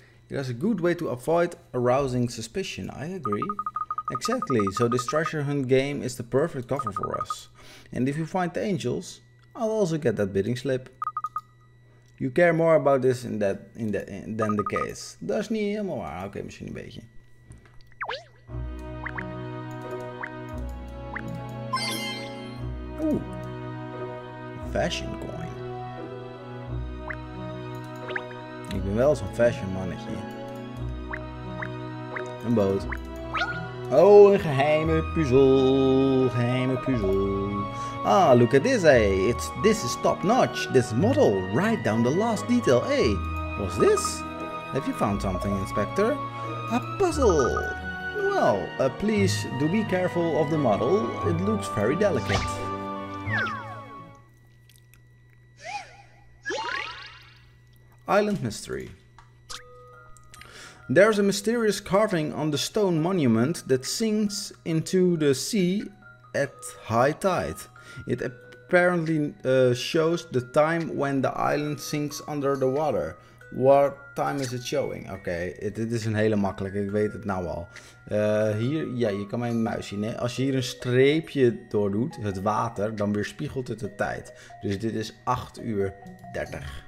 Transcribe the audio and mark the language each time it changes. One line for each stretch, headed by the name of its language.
English: That's a good way to avoid arousing suspicion, I agree. Exactly, so this treasure hunt game is the perfect cover for us. And if you find the angels, I'll also get that bidding slip. You care more about this than the case.
Dutch: Dat is niet helemaal waar. Oké, misschien een beetje.
English: Ooh. Fashion coin.
Dutch: Ik ben wel zo'n fashion mannetje. Een boot. Oh, een geheime puzzel. Geheime puzzel.
English: Ah, look at this, eh? This is top notch. This model, right down the last detail, eh? What's this? Have you found something, Inspector? A puzzle. Well, please do be careful of the model. It looks very delicate. Island mystery. There's a mysterious carving on the stone monument that sinks into the sea at high tide. It apparently shows the time when the island sinks under the water. What time is it showing?
Dutch: Okay, dit is een hele makkelijke, ik weet het nou al. Hier, ja, je kan mijn muis zien, hè? Als je hier een streepje door doet, het water, dan weerspiegelt het de tijd. Dus dit is 8:30.